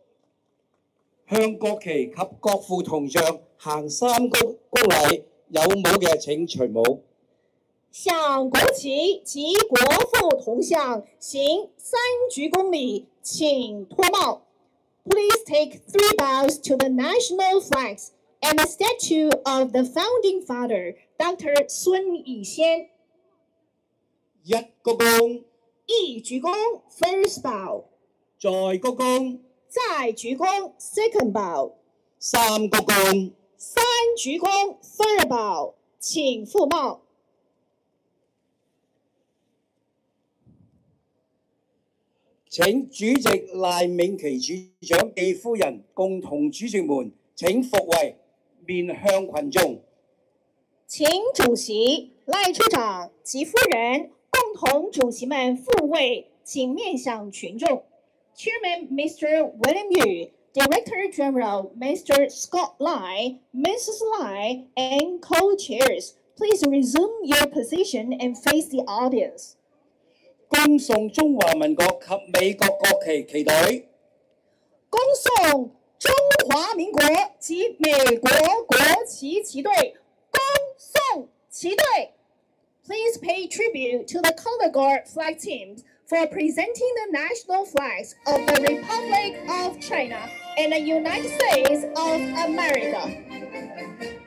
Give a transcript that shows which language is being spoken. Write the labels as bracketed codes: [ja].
[zh] 向国旗及国父铜像行三公礼，有帽的请除帽。向国旗及国父铜像行三鞠躬礼，请脱帽。 [en] Please take three bows to the national flags and the statue of the founding father, Dr. [zh] 孙逸仙。一鞠躬，一鞠躬 ， [en] first bow。 [zh] 再鞠躬。再鞠躬 ， [en] second bow。 [zh] 三鞠躬。三鞠躬 ， [en] third bow。 [zh] 请覆帽。请主席赖敏琦处长暨夫人共同主席们请伏位，面向群众。请主席赖处长及夫人共同主席们伏位，请面向群众。 [en] Chairman Mr. William Yu, Director General Mr. Scott Lai, Mrs. Lai, and co-chairs, please resume your position and face the audience. [zh] 恭送中华民国及美国国旗旗队。恭送中华民国及美国国旗旗队。恭送旗队。 [en] Please pay tribute to the Color Guard flag teams for presenting the national flags of the Republic of China and the United States of America.